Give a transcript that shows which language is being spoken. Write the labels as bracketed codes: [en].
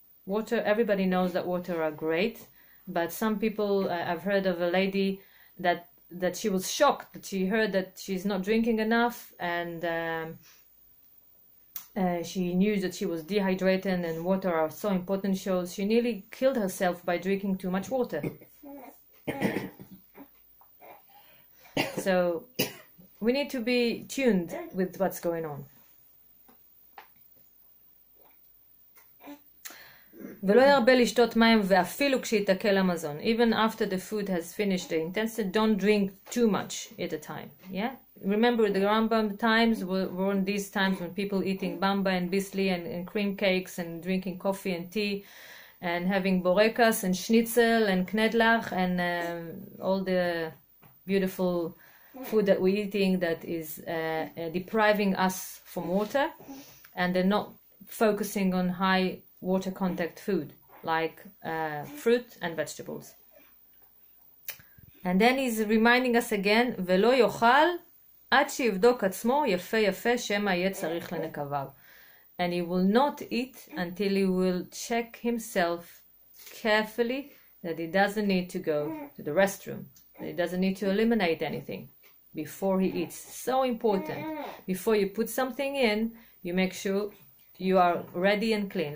[en] Water, everybody knows that water are great, but some people, I've heard of a lady that she was shocked that she heard that she's not drinking enough, and she knew that she was dehydrated and water are so important. So she nearly killed herself by drinking too much water. So we need to be tuned with what's going on. [he] ולא ירבה לשתות מים ואפילו כשיתעכל המזון. [en] Even after the food has finished the intensity, don't drink too much at a time. Yeah? Remember, the Rambam times were these times when people eating bamba and bisli and cream cakes and drinking coffee and tea and having borekas and schnitzel and knedlach and all the beautiful food that we're eating that is depriving us from water, and they're not focusing on high water contact food like fruit and vegetables. And then he's reminding us again, [he] ולא יאכל עד שיבדוק עצמו יפה יפה שמה יהיה צריך לנקביו. [en] And he will not eat until he will check himself carefully that he doesn't need to go to the restroom, that he doesn't need to eliminate anything before he eats. So important. Before you put something in, you make sure you are ready and clean.